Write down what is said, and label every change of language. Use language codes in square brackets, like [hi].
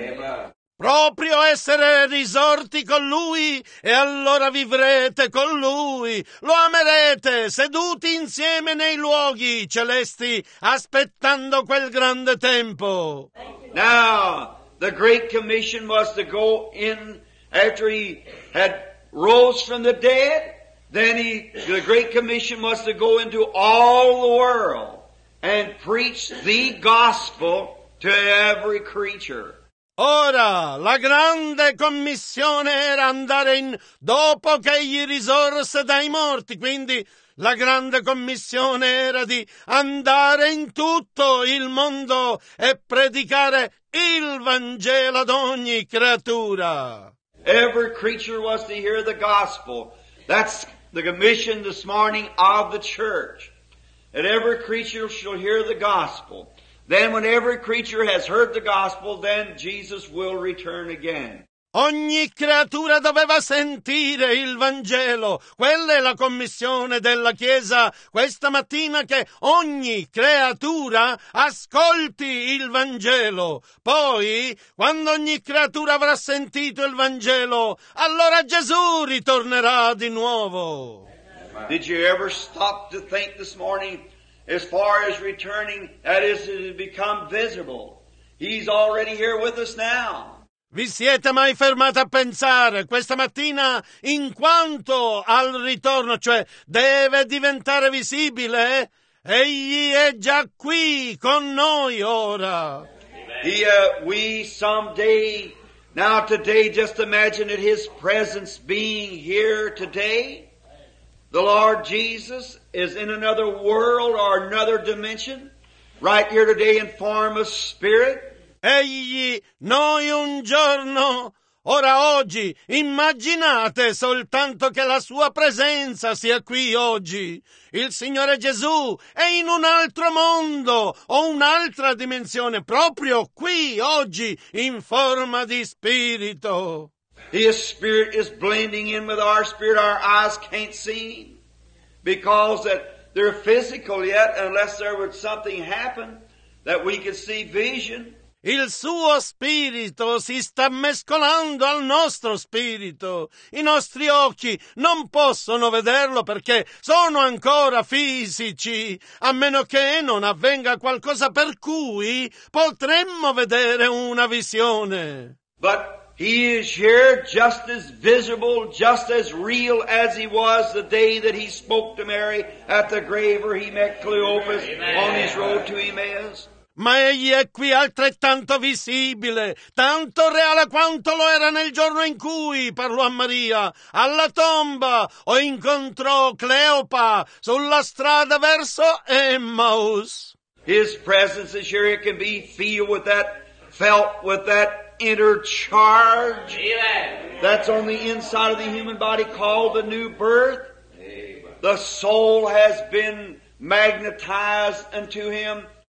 [en] Amen. [it] Proprio essere risorti con Lui, e allora vivrete con Lui. Lo amerete, seduti insieme nei luoghi celesti, aspettando quel grande tempo. [en] Now, the great commission was to go in after he had rose from the dead. Then the great commission was to go into all the world and preach the gospel to every creature. [it] Ora, la grande commissione era andare in dopo che egli risorse dai morti, quindi la grande commissione era di andare in tutto il mondo e predicare il Vangelo ad ogni creatura. [en] Every creature was to hear the gospel. That's the commission this morning of the church. And every creature shall hear the gospel. Then when every creature has heard the gospel, then Jesus will return again. [it] Ogni creatura doveva sentire il Vangelo. Quella è la commissione della Chiesa questa mattina, che ogni creatura ascolti il Vangelo. Poi, quando ogni creatura avrà sentito il Vangelo, allora Gesù ritornerà di nuovo. [en] Did you ever stop to think this morning? As far as returning, that is, it has become visible. He's already here with us now. [it] Vi siete mai fermati a pensare questa mattina in quanto al ritorno, cioè deve diventare visibile? Egli è già qui con noi ora. [en] We someday, now today, just imagine that his presence being here today. The Lord Jesus is in another world or another dimension, right here today in form of spirit. [it] Egli, noi un giorno, ora oggi, immaginate soltanto che la sua presenza sia qui oggi. Il Signore Gesù è in un altro mondo o un'altra dimensione, proprio qui oggi, in forma di spirito. [en] His spirit is blending in with our spirit. Our eyes can't see him because that they're physical yet, unless there would something happen that we could see vision. [it] Il suo spirito si sta mescolando al nostro spirito. I nostri occhi non possono vederlo perché sono ancora fisici, a meno che non avvenga qualcosa per cui potremmo vedere una visione. [en] But he is here just as visible, just as real as he was the day that he spoke to Mary at the grave where he met Cleopas. Amen. On his road to Emmaus. [it] ma egli è qui altrettanto visibile, tanto reale quanto lo era nel giorno in cui parlò a Maria alla tomba o incontrò Cleopa sulla strada verso Emmaus. [en] His presence is here. It can be feel with that, felt with that inner charge that's on the inside of the human body called the new birth. The soul has been magnetized unto him.